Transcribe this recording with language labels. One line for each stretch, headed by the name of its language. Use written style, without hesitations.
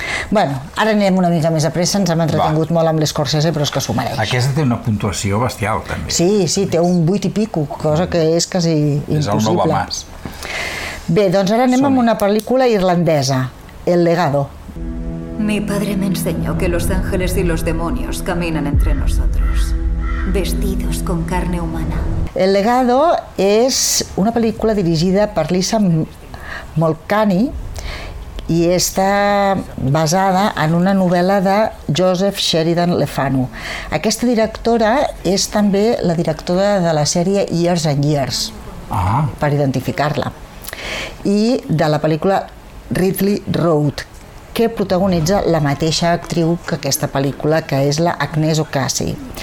Catalan: Bueno, ara anirem una mica més a pressa, ens hem entretingut molt amb l'Scorsese, però és que s'ho mereix. Aquesta té una puntuació bestial, també. Sí, sí, té un 8 i pico, cosa que és quasi impossible. És el nou Bamas. Bé, doncs ara anem amb una pel·lícula irlandesa, El legado.
Spanish: Mi padre me enseñó que los ángeles y los demonios caminan entre nosotros, vestidos con carne humana.
Catalan: El legado és una pel·lícula dirigida per Lisa Mulcahy, i està basada en una novel·la de Joseph Sheridan Lefanu. Aquesta directora és també la directora de la sèrie Years and Years, per identificar-la, i de la pel·lícula Ridley Road, que protagonitza la mateixa actriu que aquesta pel·lícula, que és la Agnès Ocasi.